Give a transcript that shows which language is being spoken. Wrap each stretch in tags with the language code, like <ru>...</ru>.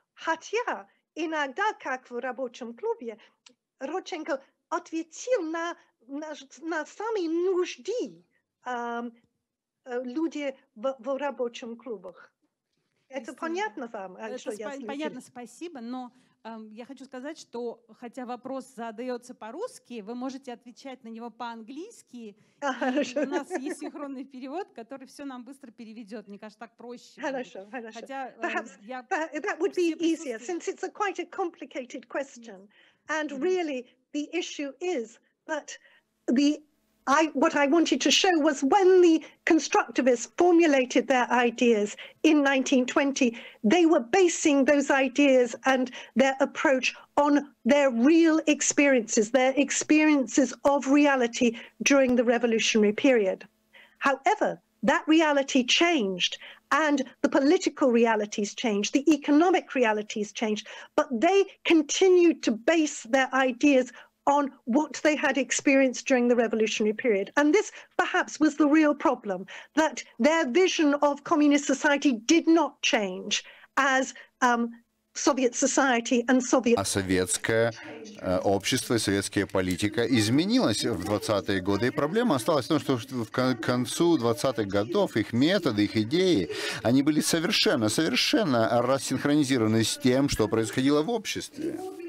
<ru>Хотя иногда, как в рабочем клубе, Родченко ответил на самые нужды людей в рабочем клубах. Это понятно вам, что я слышала? Понятно, спасибо, но я хочу сказать, что хотя вопрос задается по-русски, вы можете отвечать на него по-английски. Хорошо. У нас есть синхронный перевод, который все нам быстро переведет. Мне кажется, так проще. Хорошо, хотя,</ru> <en>That would be easier, since it's a quite a complicated question. And really, the issue is that what I wanted to show was when the constructivists formulated their ideas in 1920, they were basing those ideas and their approach on their real experiences, their experiences of reality during the revolutionary period. However, that reality changed, and the political realities changed, the economic realities changed, but they continued to base their ideas on what they had experienced during the revolutionary period. And this perhaps was the real problem, that their vision of communist society did not change as Soviet society and Soviet...</en> <ru>А советское общество и советская политика изменилась в 20-е годы. И проблема осталась в том, что в концу 20-х годов их методы, их идеи, они были совершенно рассинхронизированы с тем, что происходило в обществе.</ru>